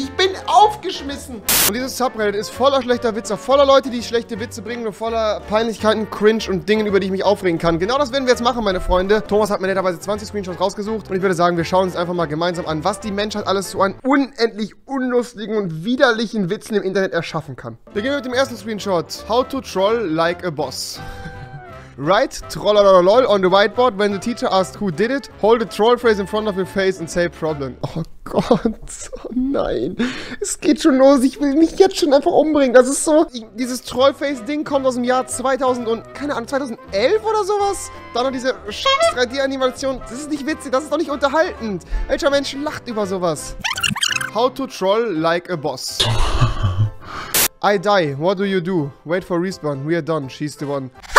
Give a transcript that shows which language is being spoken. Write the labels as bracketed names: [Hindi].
[German] Ich bin aufgeschmissen. Und dieses Subreddit ist voller schlechter Witze, voller Leute, die schlechte Witze bringen und voller Peinlichkeiten, Cringe und Dingen, über die ich mich aufregen kann. Genau das werden wir jetzt machen, meine Freunde. Thomas hat mir netterweise 20 Screenshots rausgesucht und ich würde sagen, wir schauen uns einfach mal gemeinsam an, was die Menschheit alles so an unendlich unlustigen und widerlichen Witzen im Internet erschaffen kann. Beginnen wir mit dem ersten Screenshot. [English] How to troll like a boss. Write trollololol on the whiteboard when the teacher asked who did it. Hold the troll phrase in front of your face and say problem. [German] Oh Gott, oh nein. Es geht schon los. Ich will mich jetzt schon einfach umbringen. Das ist so. Dieses Trollface-Ding kommt aus dem Jahr 2000 und, keine Ahnung, 2011 oder sowas? Dann noch diese scheiß 3D-Animation. Das ist nicht witzig. Das ist doch nicht unterhaltend. Welcher Mensch lacht über sowas? [English] How to troll like a boss. I die. What do you do? Wait for respawn. We are done. She's the one.